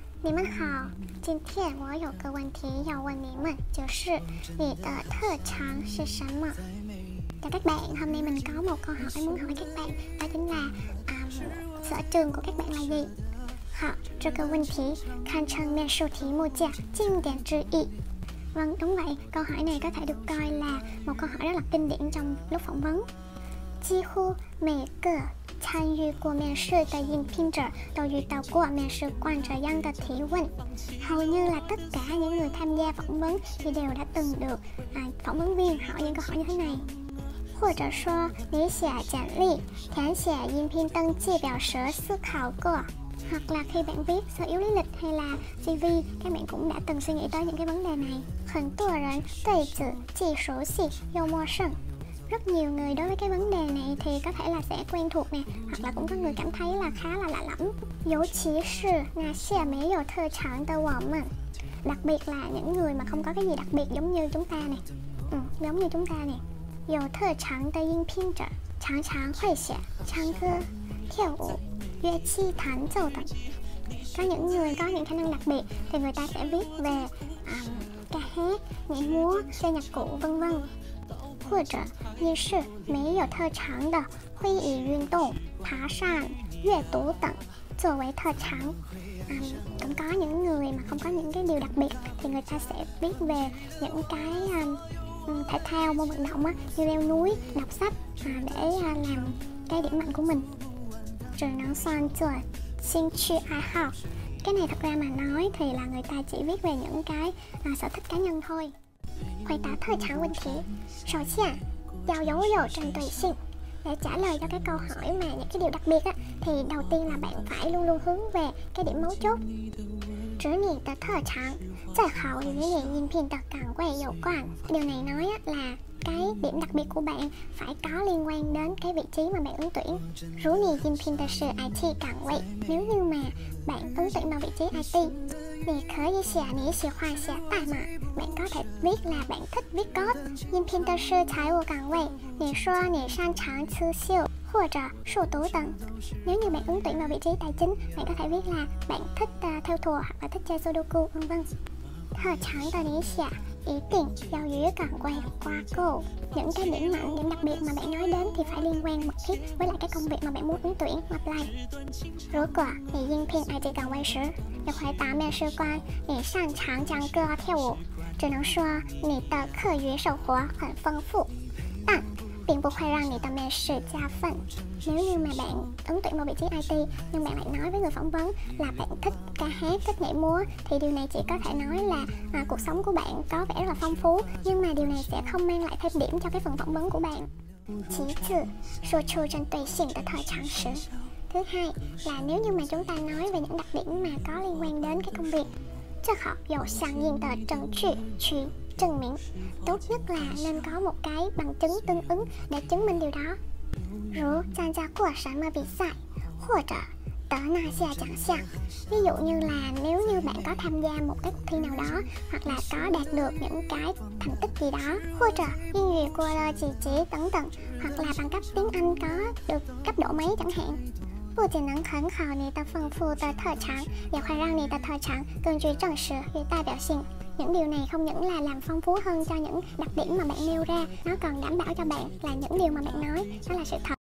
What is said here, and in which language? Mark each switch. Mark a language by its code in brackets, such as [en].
[zh] 你们好，今天我有个问题要问你们，就是你的特长是什么？ [vi] chào các bạn, hôm nay mình có một câu hỏi muốn hỏi các bạn, đó chính là sở trường của các bạn là gì? [zh] 好，这个问题堪称面试题目界经典之一。 [vi] Vâng, đúng vậy, câu hỏi này có thể được coi là một câu hỏi rất là kinh điển trong lúc phỏng vấn. [zh] 几乎每个参与过面试的应聘者都遇到过面试官这样的提问，好像是 [vi] tất cả những người tham gia phỏng vấn thì đều đã từng được phỏng vấn viên hỏi những câu hỏi như thế này。 [zh] 或者说，你写简历、填写应聘登记表时思考过。 [vi] Hoặc là khi bạn viết sơ yếu lý lịch hay là CV, các bạn cũng đã từng suy nghĩ tới những cái vấn đề này. [zh] 很多人对此既熟悉又陌生。 [vi] Rất nhiều người đối với cái vấn đề này thì có thể là sẽ quen thuộc nè, hoặc là cũng có người cảm thấy là khá là lạ lẫm. [zh] 尤其是那些没有特长的我们。 [vi] Đặc biệt là những người mà không có cái gì đặc biệt giống như chúng ta nè. Giống như chúng ta nè. [zh] 有特长的应聘者常常会写唱歌、跳舞、乐器弹奏等。 [vi] Có những người có những khả năng đặc biệt thì người ta sẽ viết về ca hát, nhảy múa, chơi nhạc cụ, vân vân. [zh] 或者你是没有特长的，会以运动、爬山、阅读等作为特长。 [vi] Cũng có những người mà không có những cái điều đặc biệt thì người ta sẽ viết về những cái thể thao, môn vận động á, như leo núi, đọc sách để làm cái điểm mạnh của mình. [zh] 只能算作兴趣爱好。 [vi] Cái này thật ra mà nói thì là người ta chỉ viết về những cái sở thích cá nhân thôi. [zh] 回答特长问题，首先要拥有针对性。 [vi] Để trả lời cho cái câu hỏi mà những cái điều đặc biệt á, thì đầu tiên là bạn phải luôn luôn hướng về cái điểm mấu chốt. [zh] 指你的特长，最好与你应聘的岗位有关。 [vi] Điều này nói là cái điểm đặc biệt của bạn phải có liên quan đến cái vị trí mà bạn ứng tuyển. [zh] 如你应聘的是 IT 岗位， [vi] nếu như mà bạn ứng tuyển vào vị trí IT, [zh] 你可以写你喜欢写代码。 [vi] Bạn có thể viết là bạn thích viết code. [zh] 应聘的是财务岗位，你说你擅长刺绣或者数独等。 [vi] Nếu như bạn ứng tuyển vào vị trí tài chính, bạn có thể viết là bạn thích theo thùa hoặc là thích chơi sudoku, vân vân. [zh] 特长的你写一定要与岗位挂钩。 [vi] Những cái điểm mạnh, điểm đặc biệt mà bạn nói đến thì phải liên quan mật thiết với lại cái công việc mà bạn muốn ứng tuyển, apply. [zh] 如果你应聘 IT 岗位时，要回答面试官你擅长唱歌跳舞，只能说你的课余生活很丰富，但并不会让你的面试加分。 [vi] Nếu như mà bạn ứng tuyển vào vị trí IT nhưng bạn lại nói với người phỏng vấn là bạn thích ca hát, thích nhảy múa thì điều này chỉ có thể nói là cuộc sống của bạn có vẻ là phong phú, nhưng mà điều này sẽ không mang lại thêm điểm cho cái phần phỏng vấn của bạn. [zh] 其次，说出针对性的特长时。 [vi] Thứ hai là nếu như mà chúng ta nói về những đặc điểm mà có liên quan đến cái công việc, [zh] 最好有相应的证据去证明。 [vi] Tốt nhất là nên có một cái bằng chứng tương ứng để chứng minh điều đó. [zh] 如参加过什么比赛，或者得那些奖项。 [vi] Ví dụ như là nếu như bạn có tham gia một cái thi nào đó, hoặc là có đạt được những cái thành tích gì đó, [zh] 或者英语过了几级等等， [vi] hoặc là bằng cấp tiếng Anh có được cấp độ mấy chẳng hạn. [zh] 不仅能很好你的丰富的特长，也会让你的特长更具证实与代表性。 [vi] Những điều này không những là làm phong phú hơn cho những đặc điểm mà bạn nêu ra, nó còn đảm bảo cho bạn là những điều mà bạn nói, đó là sự thật.